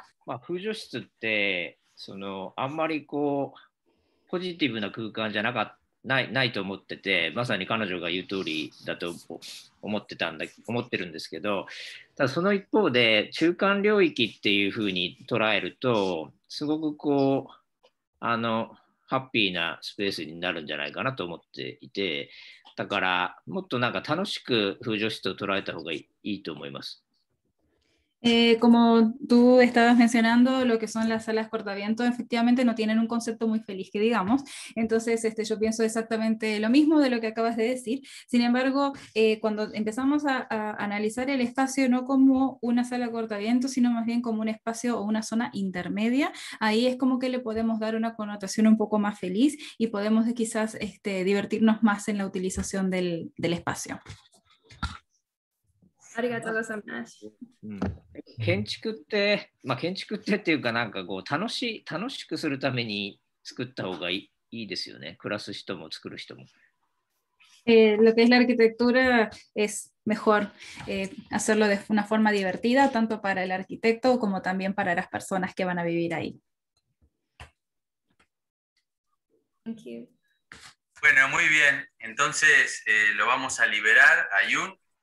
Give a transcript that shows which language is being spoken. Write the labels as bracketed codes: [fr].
[ja] まあ、風除室ってそのあんまりこうポジティブな空間じゃなかないと思ってて、まさに彼女が言う通りだと思ってるんですけど、ただその一方で中間領域っていうふうに捉えるとすごくこうあのハッピーなスペースになるんじゃないかなと思っていて、だからもっとなんか楽しく風除室を捉えた方がいいと思います。 [es] Como tú estabas mencionando, lo que son las salas cortaviento efectivamente no tienen un concepto muy feliz que digamos, entonces yo pienso exactamente lo mismo de lo que acabas de decir. Sin embargo, cuando empezamos a analizar el espacio no como una sala cortaviento, sino más bien como un espacio o una zona intermedia, ahí es como que le podemos dar una connotación un poco más feliz y podemos quizás divertirnos más en la utilización del espacio. [ja] ありがとうございます。建築って、まあ、建築ってっていうかなんかこう楽しくするために作った方がいいですよね。暮らす人も作る人も。 [es] Lo que es la arquitectura es mejor hacerlo de una forma divertida, tanto para el arquitecto como también para las personas que van a vivir ahí. [en] Thank you. [es] Bueno, muy bien. Entonces lo vamos a liberar a Yun.